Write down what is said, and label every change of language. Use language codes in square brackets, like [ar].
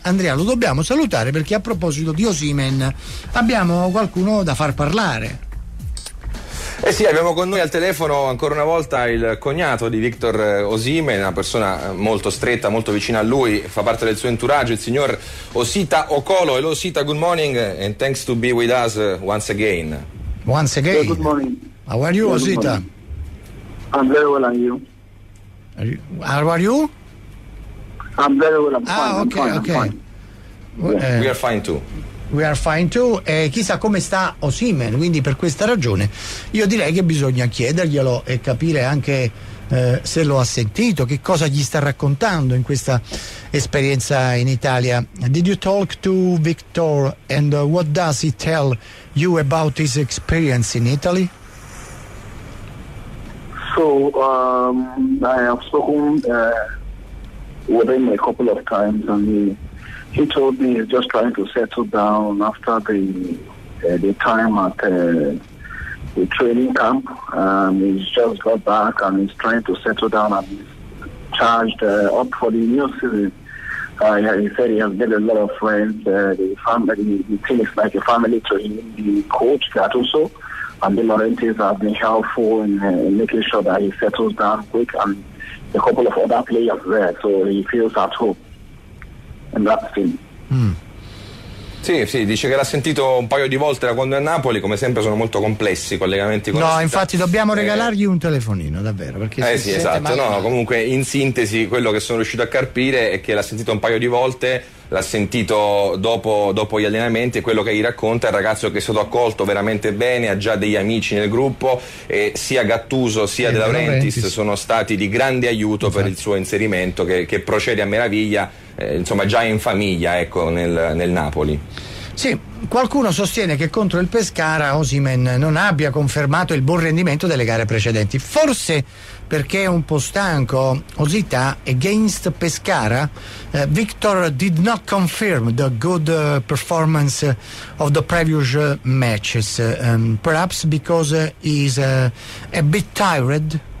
[it] Andrea, lo dobbiamo salutare perché a proposito di Osimhen abbiamo qualcuno da far parlare. Eh sì, abbiamo con noi al telefono ancora una volta il cognato di Victor Osimhen, una persona molto stretta, molto vicina a lui, fa parte del suo entourage, il signor Osita Okolo. [en] Hello Osita, good morning and thanks to be with us once again. Once again. Good morning. How are you, Osita? I'm very well, and you? How are you? I'm very well, I'm fine. Okay. We are fine too. we are fine too, [it] e chissà come sta Osimhen. Quindi per questa ragione io direi che bisogna chiederglielo e capire anche se lo ha sentito, che cosa gli sta raccontando in questa esperienza in Italia. [en] Did you talk to Victor and what does he tell you about his experience in Italy? So I have spoken with him a couple of times, and he told me he's just trying to settle down after the time at the training camp. He's just got back and he's trying to settle down and charged up for the new season. He said he has made a lot of friends. The family, the team is like a family to him. The coach, that also, and the Laurentiis have been helpful in making sure that he settles down quick, and a couple of other players there, so he feels at home in that team. [it] Sì, dice che l'ha sentito un paio di volte da quando è a Napoli. Come sempre sono molto complessi i collegamenti con la città. Infatti dobbiamo regalargli un telefonino, davvero, perché comunque in sintesi quello che sono riuscito a carpire è che l'ha sentito un paio di volte, l'ha sentito dopo gli allenamenti, e quello che gli racconta è il ragazzo che è stato accolto veramente bene, ha già degli amici nel gruppo, e sia Gattuso sia De Laurentiis sono stati di grande aiuto, esatto, per il suo inserimento che procede a meraviglia. Insomma, già in famiglia, ecco, nel Napoli. Sì, qualcuno sostiene che contro il Pescara Osimhen non abbia confermato il buon rendimento delle gare precedenti, forse perché è un po' stanco. [en] Osita, against Pescara, Victor did not confirm the good performance of the previous matches, perhaps because he's a bit tired.